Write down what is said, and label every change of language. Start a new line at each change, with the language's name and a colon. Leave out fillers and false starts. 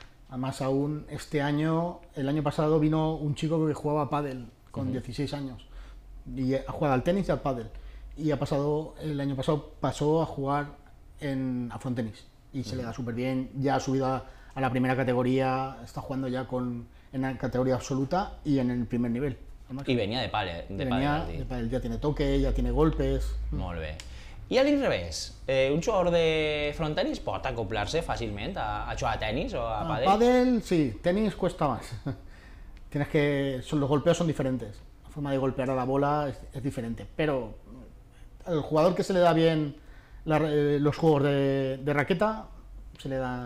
Spanish: Además aún este año, el año pasado vino un chico que jugaba pádel con 16 años y ha jugado al tenis y al pádel, y el año pasado pasó a jugar a frontenis y se le da súper bien, ya ha subido a la primera categoría, está jugando ya en la categoría absoluta y en el primer nivel. Y venía de pádel. De pádel, ya tiene toque, ya tiene golpes. Muy bien.
Catalan: I a l'inrevés, un jugador de frontenis pot acoplar-se fàcilment a jugar a tenis o a pádel?
Spanish: A pádel, sí, tenis cuesta más. Los golpeos son diferentes, la forma de golpear a la bola es diferente, pero el jugador que se le da bien los juegos de raqueta, se le da...